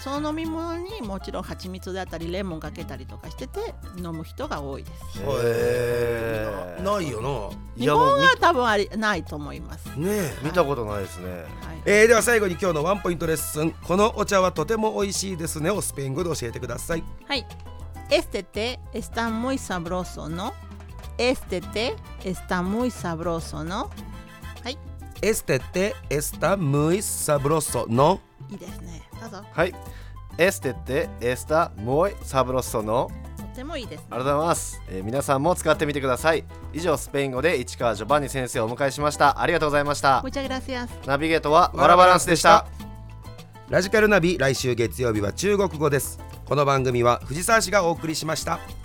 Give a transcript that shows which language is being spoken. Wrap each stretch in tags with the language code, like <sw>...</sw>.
<ja>その飲み物にもちろん蜂蜜であったりレモンかけたりとかしてて飲む人が多いです。へー、ないよな。日本は多分ありないと思います。ねえ、はい、見たことないですね。はい、では最後に今日のワンポイントレッスン、このお茶はとても美味しいですねをスペイン語で教えてください。</ja> <es>はい、Este té está muy sabroso, ¿no? Este té está muy sabroso, ¿no?</es> <ja>はい、</ja> <es>Este té está muy sabroso, ¿no?</es> <ja>いいですね、どうぞ。</ja> <es>はい、Este té está muy sabroso, ¿no?</es> <ja>とてもいいですね。ありがとうございます。皆さんも使ってみてください。以上、スペイン語で市川ジョバンニ先生をお迎えしました。ありがとうございました。</ja> <es>Muchas gracias。</es> <ja>ナビゲートはワラバランスでした。ラジカルナビ、来週月曜日は中国語です。この番組は藤沢氏がお送りしました。</ja>